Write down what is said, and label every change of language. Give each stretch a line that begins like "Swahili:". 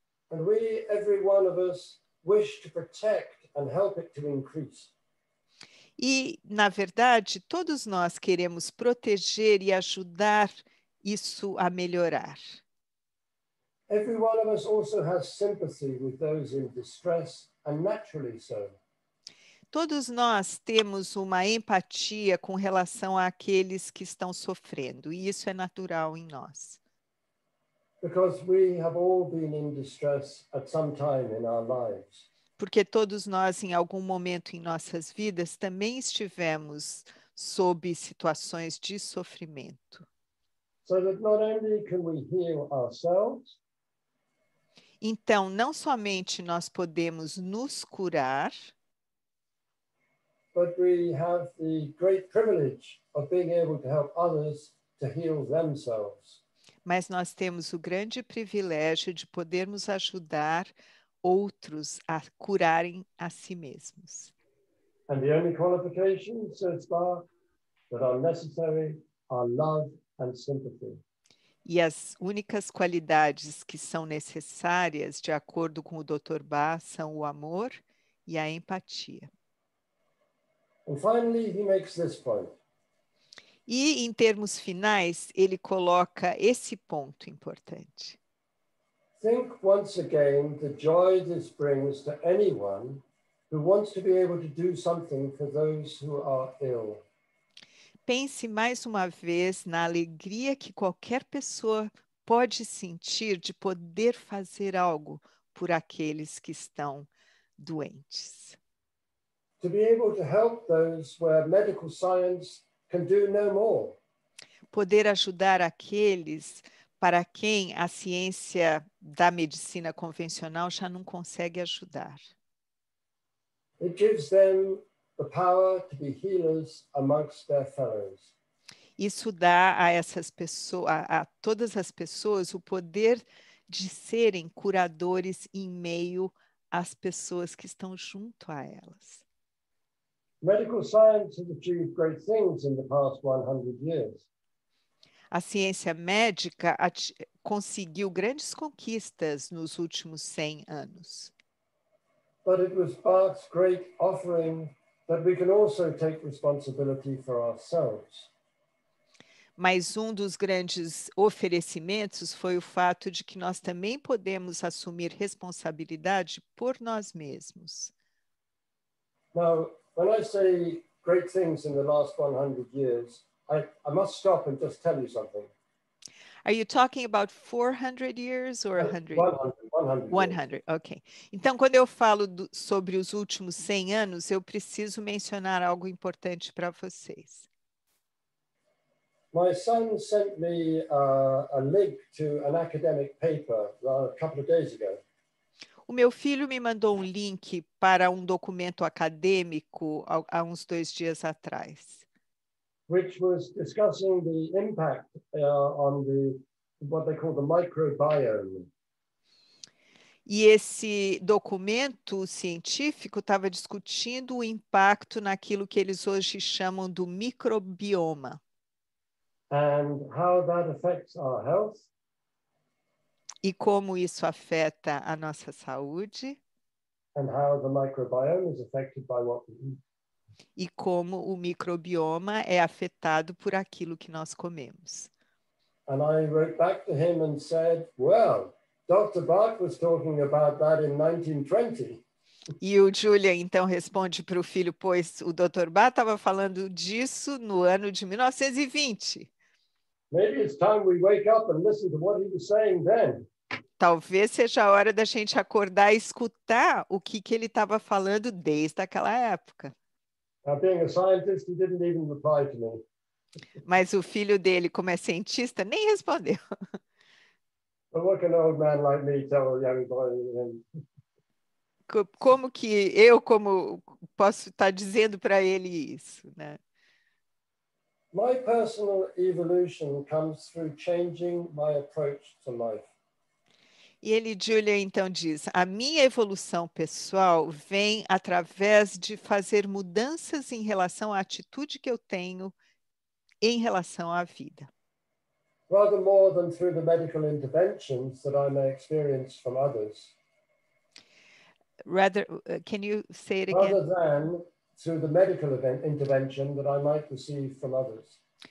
English: And we, every one of us, wish to protect and help it to increase.
Portuguese: E, na verdade, todos nós queremos proteger e ajudar isso a melhorar.
English: Every one of us also has sympathy with those in distress, and naturally so.
Portuguese: Todos nós temos uma empatia com relação àqueles que estão sofrendo, e isso é natural em nós.
English: Because we have all been in distress at some time in our lives.
Portuguese: Porque todos nós, em algum momento em nossas vidas, também estivemos sob situações de sofrimento.
English: So that not only can we heal ourselves,
Portuguese: então, não somente nós podemos nos curar,
English: but we have the great privilege of being able to help others to heal themselves.
Portuguese: Mas nós temos o grande privilégio de podermos ajudar outros a curarem a si mesmos.
English: And the only qualifications, says Bach, that are necessary are love and sympathy.
Portuguese: E as únicas qualidades que são necessárias, de acordo com o Dr. Bach, são o amor e a empatia.
English: And finally, he makes this point.
Portuguese: E, em termos finais, ele coloca esse ponto importante.
English: Think once again the joy this brings to anyone who wants to be able to do something for those who are ill.
Portuguese: Pense mais uma vez na alegria que qualquer pessoa pode sentir de poder fazer algo por aqueles que estão doentes.
English: To be able to help those where medical science can do no more.
Portuguese: Poder ajudar aqueles para quem a ciência da medicina convencional já não consegue ajudar.
English: It gives them the power to be healers amongst their fellows.
Portuguese: Isso dá a essas pessoas, a todas as pessoas, o poder de serem curadores em meio às pessoas que estão junto a elas.
English: Medical science has achieved great things in the past 100 years.
Portuguese: A ciência médica conseguiu grandes conquistas nos últimos 100 anos.
English: But it was Bach's great offering that we can also take responsibility for ourselves.
Portuguese: Mas um dos grandes oferecimentos foi o fato de que nós também podemos assumir responsabilidade por nós mesmos.
English: Now, when I say great things in the last 100 years, I must stop and just tell you something. Are you talking about 400 years or 100? 100. Okay.
Portuguese: Então, quando eu falo sobre os últimos 100 anos, eu preciso mencionar algo importante para vocês.
English: My son sent me a link to an academic paper a couple of days ago.
Portuguese: O meu filho me mandou um link para um documento acadêmico há uns dois dias atrás.
English: Which was discussing the impact on the what they call the microbiome.
Portuguese: E esse documento científico estava discutindo o impacto naquilo que eles hoje chamam do microbioma.
English: And how that affects our health.
Portuguese: E como isso afeta a nossa saúde.
English: And how the microbiome is affected by what we eat.
Portuguese: E como o microbioma é afetado por aquilo que nós comemos.
English: And I wrote back to him and said, well, Dr. Bach was talking about that in 1920.
Portuguese: E o Julia então responde para o filho, pois o Dr. Ba estava falando disso no ano de 1920.
English: Maybe it's time we wake up and listen to what he was saying then.
Portuguese: Talvez seja a hora da gente acordar e escutar o que, que ele estava falando desde aquela época.
English: Now, being a scientist, he didn't even reply to me.
Portuguese: Mas o filho dele, como é cientista, nem respondeu.
English: But what can an old man like me tell a young boy?
Portuguese: Como que eu, como posso estar dizendo para ele isso, né?
English: My personal evolution comes through changing my approach to life.
Portuguese: E ele, Julia, então diz, a minha evolução pessoal vem através de fazer mudanças em relação à atitude que eu tenho em relação à vida.
English: Rather more than through the medical interventions that I may experience from others. Rather, can you say it rather Rather than through the medical intervention that I might receive from others.